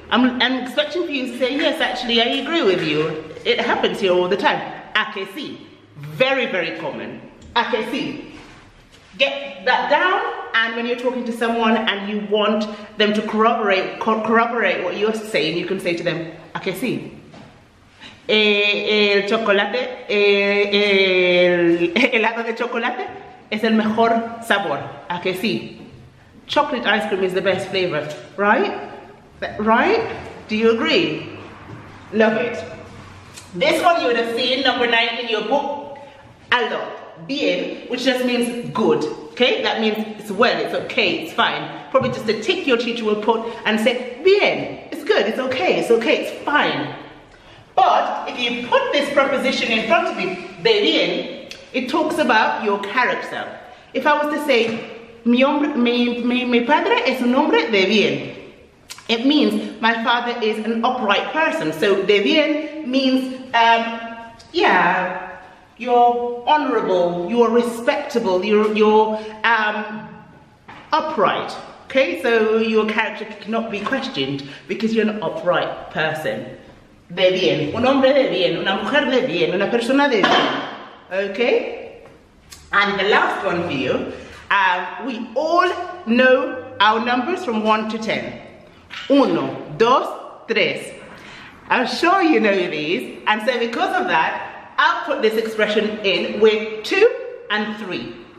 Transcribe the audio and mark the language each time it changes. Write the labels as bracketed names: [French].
[English] I'm expecting for you to say, yes, actually, I agree with you. It happens here all the time. [Spanish] A que si? [English] Very, very common. A que si? Get that down, and when you're talking to someone and you want them to corroborate what you're saying, you can say to them, [Spanish] a que si? El chocolate, el helado de chocolate es el mejor sabor. A que si? [English] Chocolate ice cream is the best flavor, right? Right? Do you agree? Love it. This one you would have seen, number 9 in your book, a lot, bien, which just means good, Okay, that means it's well, it's okay, it's fine. Probably just a tick your teacher will put and say, bien, it's good, it's okay, it's fine. But if you put this preposition in front of you, [Spanish] de bien, [English] it talks about your character. If I was to say, [Spanish] mi padre es un hombre de bien, [English] it means my father is an upright person. So [Spanish] de bien [English] means, you're honorable, you're respectable, you're upright. Okay, so your character cannot be questioned because you're an upright person. [Spanish] De bien. Un hombre de bien, una mujer de bien, una persona de bien. [English] Okay? And the last one for you, we all know our numbers from 1 to 10. [Spanish] Uno, dos, tres. [English] I'm sure you know these, and so because of that, I'll put this expression in with 2 and 3.